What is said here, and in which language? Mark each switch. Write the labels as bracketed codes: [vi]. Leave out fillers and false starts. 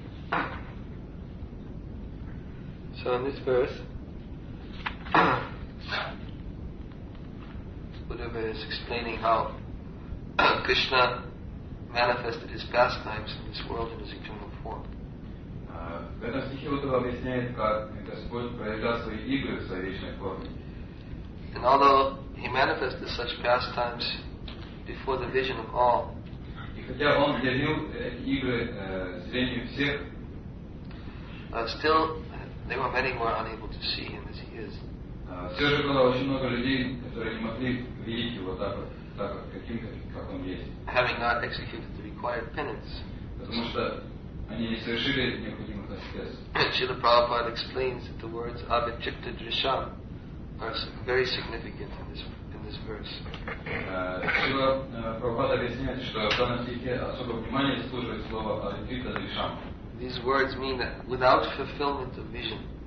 [en] So in this verse, Uddhava is explaining how Krishna manifested His pastimes in this world in His eternal form. [ru] В этом стихе Uddhava объясняет, как Господь проявлял свои игры в своей вечной форме. [en] And although He manifested such pastimes before the vision of all, [ru] и хотя Он явил игры зрению всех, [en] still there were many who were unable to see Him as He is. [ru] Все же было очень много людей, которые не могли видеть Его так каким, как Он есть. [en] Having not executed the required penance. [ru] Потому что они не совершили необходимых аскез. [en] Srila Prabhupada explains that the words abhichitta drisham are very significant in this this verse. These words mean that without fulfillment of vision.